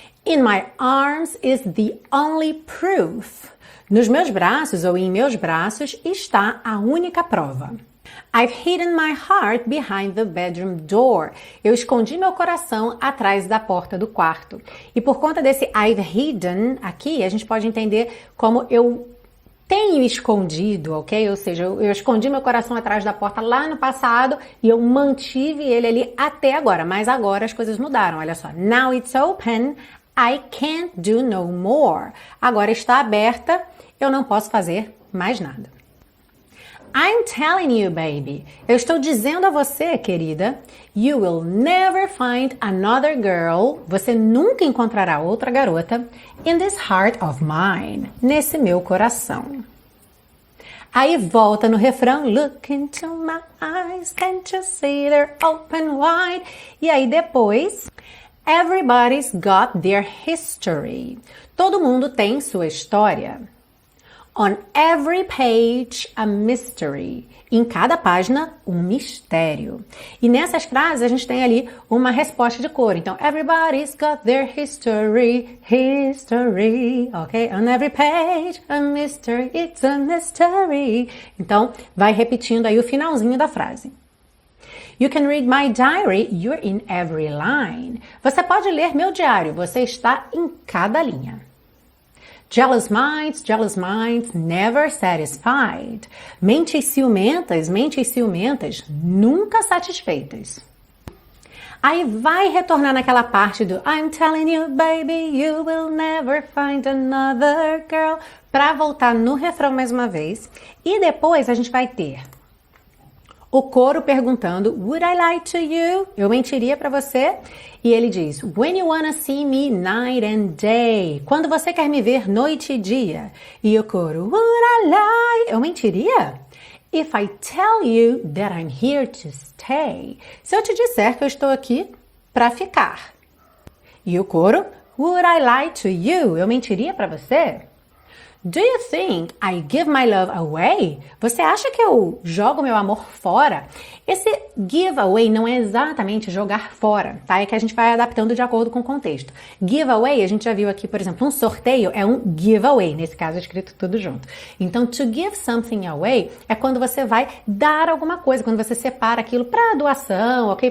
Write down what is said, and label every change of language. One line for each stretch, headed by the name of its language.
English: In my arms is the only proof.
Portuguese: Nos meus braços ou em meus braços está a única prova.
English: I've hidden my heart behind the bedroom door.
Portuguese: Eu escondi meu coração atrás da porta do quarto. E por conta desse I've hidden aqui, a gente pode entender como eu tenho escondido, ok? Ou seja, eu escondi meu coração atrás da porta lá no passado e eu mantive ele ali até agora. Mas agora as coisas mudaram, olha só.
English: Now it's open, I can't do no more.
Portuguese: Agora está aberta, eu não posso fazer mais nada. I'm telling you, baby. Eu estou dizendo a você, querida.
English: You will never find another girl.
Portuguese: Você nunca encontrará outra garota.
English: In this heart of mine. Nesse meu coração.
Portuguese: Aí volta no refrão. Look into my eyes.
English: Can't you see they're open wide? E aí depois. Everybody's got their history.
Portuguese: Todo mundo tem sua história. On every page, a mystery. Em cada página, um mistério. E nessas frases, a gente tem ali uma resposta de cor.
English: Então, everybody's got their history, history. Ok? On every page, a mystery, it's a mystery.
Portuguese: Então, vai repetindo aí o finalzinho da frase.
English: You can read my diary, you're in every line.
Portuguese: Você pode ler meu diário, você está em cada linha.
English: Jealous minds, never satisfied.
Portuguese: Mentes ciumentas, nunca satisfeitas. Aí vai retornar naquela parte do I'm telling you, baby, you will never find another girl. Pra voltar no refrão mais uma vez. E depois a gente vai ter o coro perguntando, would I lie to you? Eu mentiria pra você? E ele diz, when you wanna see me night and day? Quando você quer me ver noite e dia? E o coro, would I lie? Eu mentiria?
English: If I tell you that I'm here to stay?
Portuguese: Se eu te disser que eu estou aqui pra ficar. E o coro, would I lie to you? Eu mentiria pra você?
English: Do you think I give my love away?
Portuguese: Você acha que eu jogo meu amor fora? Esse give away não é exatamente jogar fora, tá? É que a gente vai adaptando de acordo com o contexto. Give away, a gente já viu aqui, por exemplo, um sorteio é um give away, nesse caso é escrito tudo junto. Então, to give something away é quando você vai dar alguma coisa, quando você separa aquilo para doação, ok?